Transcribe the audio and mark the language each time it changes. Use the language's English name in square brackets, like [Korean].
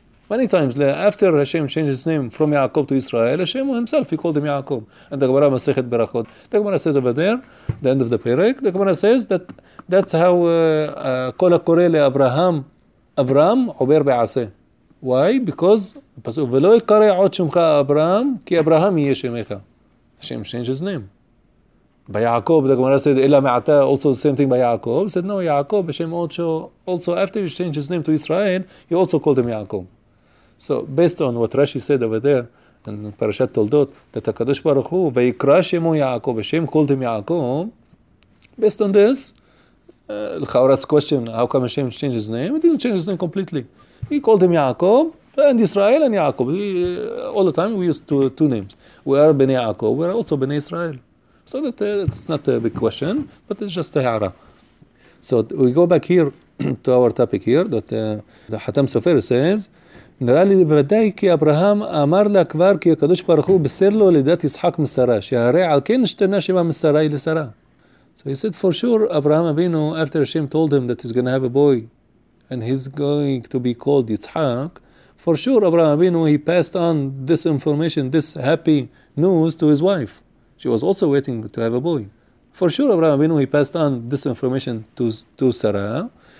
[English] Many times after Hashem changed his name from Yaakov to Israel, Hashem himself, he called him Yaakov. And the Gemara Masechet Berachot. The Gemara says over there, the end of the Perek, the Gemara says that that's how Kol HaKoreh LeAbraham, Abraham, Ober Be'aseh. Why? Because, [Hebrew] ולא יקרא עוד שמך אברהם, כי אברהם יהיה שמך. [English] Hashem changed his name. ביעקב, the Gemara said, [Hebrew] אלא מעתה, [English] also the same thing by Yaakov. He said, no, Yaakov, Hashem also after he changed his name to Israel, he also called him Yaakov. So based on what Rashi said over there in Parashat Toldot, that HaKadosh Baruch Hu, Veikra Shemo Yaakov, Hashem called him Yaakov. Based on this, Chaurah's question, how come Hashem changed his name? He didn't change his name completely. He called him Yaakov, and Israel and Yaakov. All the time we used two names. We are Bnei Yaakov, we are also Bnei Israel. So that it's not a big question, but it's just a Hara. So we go back here to our topic here, that the Hatam Sofer says, [Hebrew] נראה לי בוודאי כי אברהם אמר לה כבר כי הקדוש ברוך הוא בסר לו לידת יצחק משרה, שהרי על כן השתנה שמה משרה היא לשרה. [English] So he said, for sure, Abraham Avinu, after Hashem told him that he's going to have a boy and he's going to be called Yitzhak, for sure, Abraham Avinu, he passed on this information, this happy news to his wife. She was also waiting to have a boy. For sure, Abraham Avinu, he passed on this information to Sarah.